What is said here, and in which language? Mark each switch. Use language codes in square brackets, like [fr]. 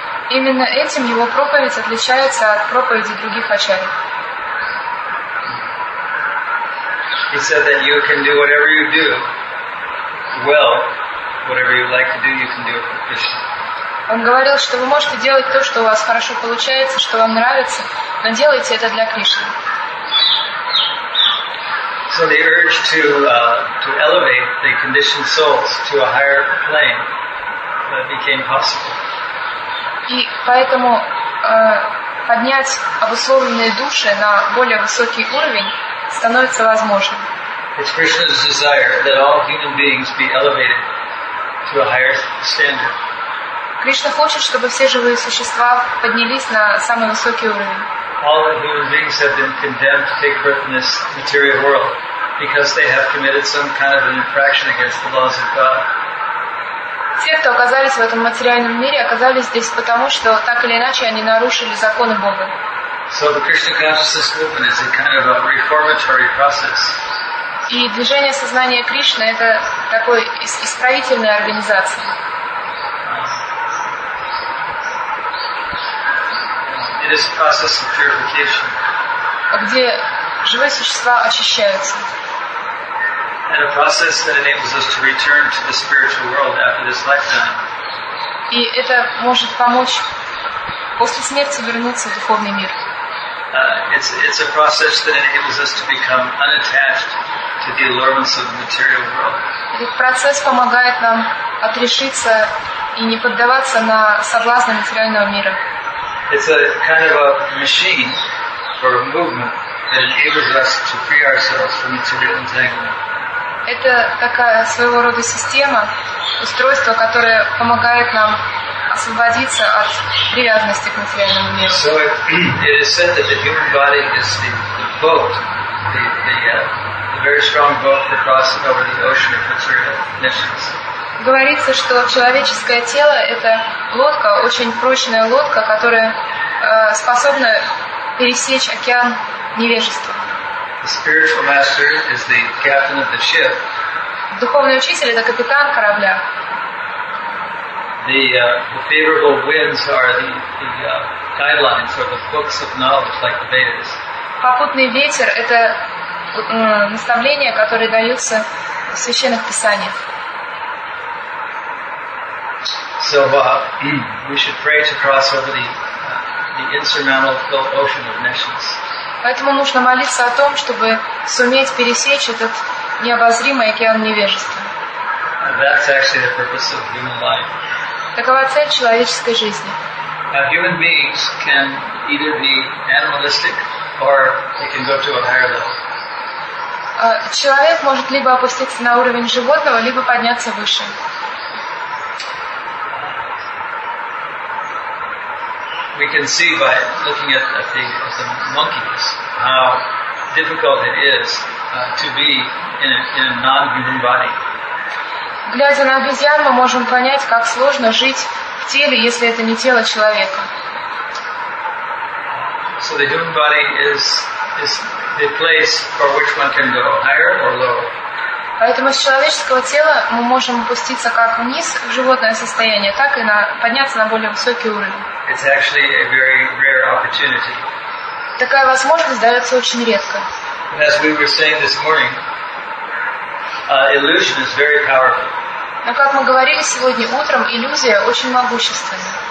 [ru] Именно этим его проповедь отличается от проповеди других ачарий. [en] He said that you can do whatever you do. Well, whatever you like to do, you can do it for Krishna. [ru] Он говорил, что вы можете делать то, что у вас хорошо получается, что вам нравится, но делайте это для Кришны. [en] So the urge to elevate the conditioned souls to a higher plane that became possible. [ru] И поэтому поднять обусловленные души на более высокий уровень становится возможным. [en] It's Krishna's desire that all human beings be elevated to a higher standard. [ru] Кришна хочет, чтобы все живые существа поднялись на самый высокий уровень. [en] All human beings have been condemned to take birth in this material world because they have committed some kind of an infraction against the laws of God. [ru] Все, кто оказались в этом материальном мире, оказались здесь потому, что так или иначе они нарушили законы Бога. [en] So the Krishna consciousness movement is a kind of a reformatory process. [ru] И движение сознания Кришны — это такой исправительная организация. [en] It is a process of purification. [ru] Где живые существа очищаются. [en] And a process that enables us to return to the spiritual world after this lifetime. [ru] И это может помочь после смерти вернуться в духовный мир. [en] It's a process that enables us to become unattached to the allurements of the material world. [ru] Этот процесс помогает нам отрешиться и не поддаваться на соблазны материального мира. [en] It's a kind of a machine or a movement that enables us to free ourselves from material entanglement. [ru] Это такая своего рода система, устройство, которое помогает нам освободиться от привязанности к материальному миру. [en] So it is said that the human body is the boat, the very strong boat that crosses over the ocean of material emissions. [ru] Говорится, что человеческое тело — это лодка, очень прочная лодка, которая способна пересечь океан невежества. [en] The spiritual master is the captain of the ship. [ru] Духовный учитель — это капитан корабля. [en] The favorable winds are the guidelines or the books of knowledge, like the Vedas. [ru] Попутный ветер — это наставления, которые даются в священных писаниях. [en] So we should pray to cross over the insurmountable ocean of nations. [ru] Поэтому нужно молиться о том, чтобы суметь пересечь этот необозримый океан невежества. [en] That's actually the purpose of human life. [ru] Такова цель человеческой жизни. [en] Now, human beings can either be animalistic or they can go to a higher level. [ru] Человек может либо опуститься на уровень животного, либо подняться выше. [en] We can see by looking at the monkeys how difficult it is to be in a non-human body. [ru] Глядя на обезьян, мы можем понять, как сложно жить в теле, если это не тело человека. [en] So the human body is the place for which one can go higher or lower. [ru] Поэтому с человеческого тела мы можем опуститься как вниз в животное состояние, так и подняться на более высокий уровень. [en] It's actually a very rare opportunity. [ru] Такая возможность дается очень редко. [en] And as we were saying this morning, illusion is very powerful. [ru] Но как мы говорили сегодня утром, иллюзия очень могущественна.